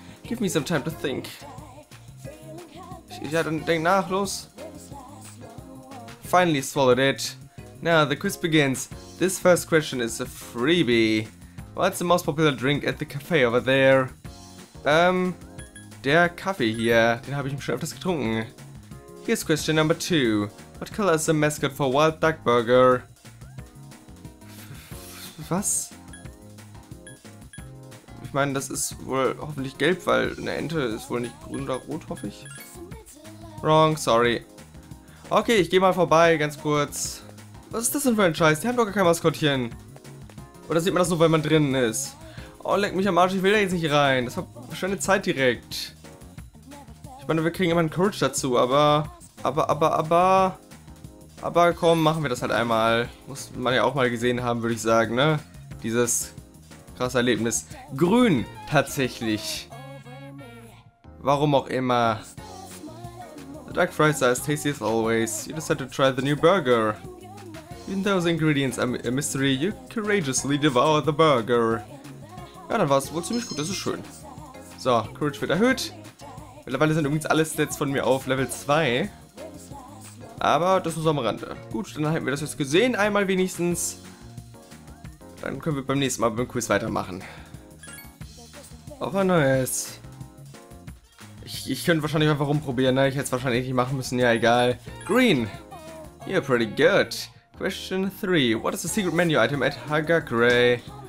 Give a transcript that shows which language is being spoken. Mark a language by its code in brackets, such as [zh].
[en] Give me some time to think. [de] Ja, dann denk nach, los. [en] finally swallowed it. Now the quiz begins. This first question is a freebie. What's the most popular drink at the cafe over there? [de] Der Kaffee hier, den habe ich schon öfters getrunken. [en] Here's question number 2. What color is the mascot for Wild Duck Burger? [de] Was? Ich meine, das ist wohl hoffentlich gelb, weil eine Ente ist wohl nicht grün oder rot, hoffe ich. [en] Wrong, sorry. [de] Okay, ich gehe mal vorbei, ganz kurz. Was ist das denn für ein Scheiß? Die haben doch gar kein Maskottchen. Oder sieht man das nur, weil man drinnen ist? Oh, leck mich am Arsch, ich will da jetzt nicht rein. Das war schöne Zeit direkt. Ich meine, wir kriegen immer einen Courage dazu, aber komm, machen wir das halt einmal. Muss man ja auch mal gesehen haben, würde ich sagen, ne? Dieses krasse Erlebnis. Grün, tatsächlich. Warum auch immer. [en] The duck fries are as tasty as always. You decided to try the new burger. Even though the ingredients are a mystery, you courageously devour the burger. [de] Ja, dann war es wohl ziemlich gut, das ist schön. So, Courage wird erhöht. Mittlerweile sind übrigens alle Stats von mir auf Level 2. Aber das ist am Rande. Gut, dann hätten wir das jetzt gesehen, einmal wenigstens. Dann können wir beim nächsten Mal beim Quiz weitermachen. Auf ein neues. Ich könnte wahrscheinlich einfach rumprobieren, ne? Ich hätte es wahrscheinlich nicht machen müssen, ja egal. [en] Green! You're pretty good. Question 3. What is the secret menu item at Hagakure?